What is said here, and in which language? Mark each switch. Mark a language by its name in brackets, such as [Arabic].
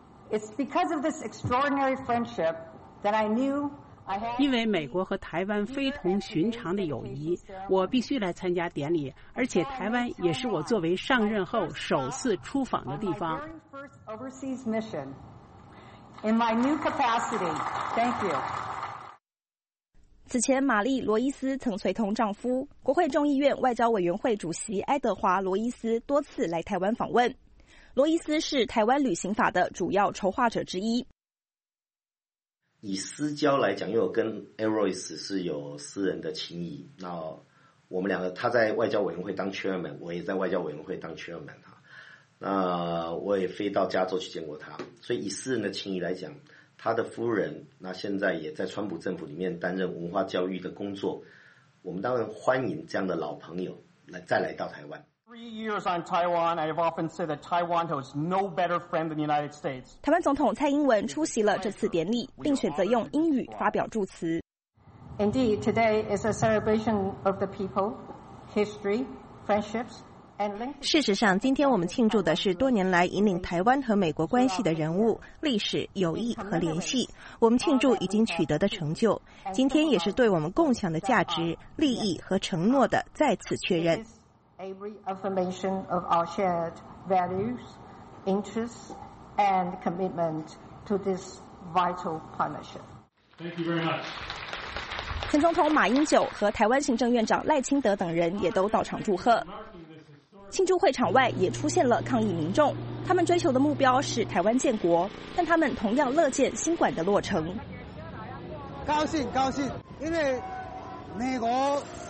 [English] It's because of this extraordinary friendship that I knew。 [Chinese] 因为美国和台湾非同寻常的友谊，我必须来参加典礼，而且台湾也是我作为上任后首次出访的地方。此前玛丽·罗伊斯曾随同丈夫国会众议院外交委员会主席爱德华·罗伊斯多次来台湾访问。罗伊斯是台湾旅行法的主要筹划者之一。以私交来讲，因为我跟 Aroys 是有私人的情谊，那我们两个他在外交委员会当 chairman， 我也在外交委员会当 chairman， 那我也飞到加州去见过他，所以以私人的情谊来讲，他的夫人那现在也在川普政府里面担任文化教育的工作，我们当然欢迎这样的老朋友来再来到台湾。 [English] 3 years on Taiwan, I have often said that Taiwan holds no better friend than the United States. [Chinese] 台湾总统蔡英文出席了这次典礼，并选择用英语发表祝词。 [English] Indeed, today is a celebration of the people, history, friendships, and links. [Chinese] 事实上，今天我们庆祝的是多年来引领台湾和美国关系的人物、历史、友谊和联系。我们庆祝已经取得的成就，今天也是对我们共享的价值、利益和承诺的再次确认。 [English] A reaffirmation of our shared values, interests, and commitment to this vital partnership. Thank you very much. [Chinese] 前总统马英九和台湾行政院长赖清德等人也都到场祝贺。庆祝会场外也出现了抗议民众，他们追求的目标是台湾建国，但他们同样乐见新馆的落成。高兴，高兴，因为美国。